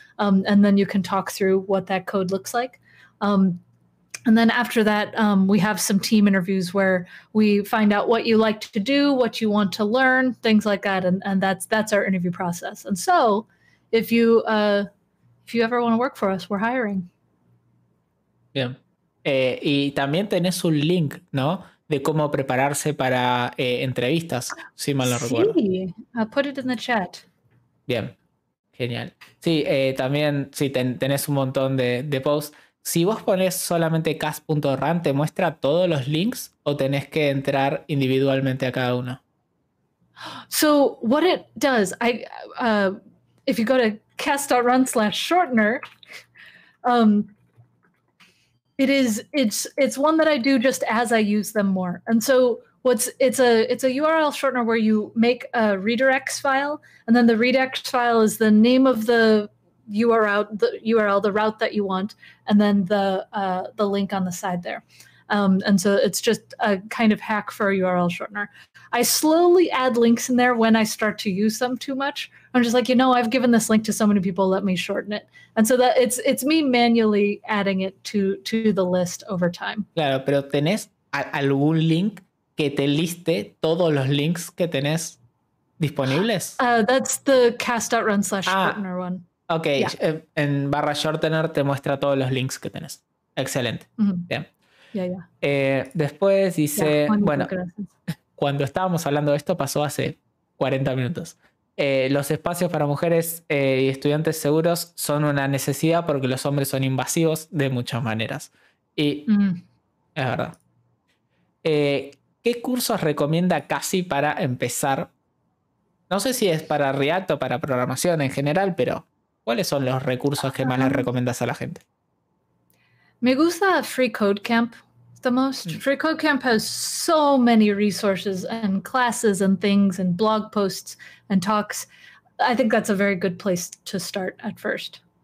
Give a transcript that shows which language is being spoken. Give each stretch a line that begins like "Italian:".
English: And then you can talk through what that code looks like. And then after that, we have some team interviews where we find out what you like to do, what you want to learn, things like that. And that's our interview process. And so if you ever want to work for us, we're hiring.
Spanish: Bien. Y también tenés un link, ¿no? De cómo prepararse para entrevistas, si mal no recuerdo. Sí,
English: I'll put it in the chat.
Spanish: Bien, genial. Sí, también sí, tenés un montón de posts. Si vos pones solamente cas.run, ¿te muestra todos los links o tenés que entrar individualmente a cada uno?
English: So what it does, if you go to cas.run/shortener, it's one that I do just as I use them more. And so it's a URL shortener where you make a redirects file, and then the redirects file is the name of the URL, the route that you want, and then the link on the side there. And so it's just a kind of hack for a URL shortener. I slowly add links in there when I start to use them too much. I'm just like, you know, I've given this link to so many people, let me shorten it. And so that it's me manually adding it to the list over time.
Spanish: Claro, pero ¿tenés algún link que te liste todos los links que tenés disponibles?
English: That's the cast.run/shortener one. Ok, yeah.
Spanish: En barra shortener te muestra todos los links que tenés. Excelente. Mm-hmm. Bien.
English: Yeah.
Spanish: Después dice,
English: yeah,
Spanish: bueno, cuando estábamos hablando de esto pasó hace 40 minutos. Los espacios para mujeres y estudiantes seguros son una necesidad porque los hombres son invasivos de muchas maneras. Y es verdad. ¿Qué cursos recomienda Casi para empezar? No sé si es para React o para programación en general, pero ¿cuáles son los recursos que más les recomiendas a la gente? Me gusta Free Code Camp
English: the most. Free Code Camp has so many resources and classes and things and blog posts and talks. I think that's a very good place to start at first.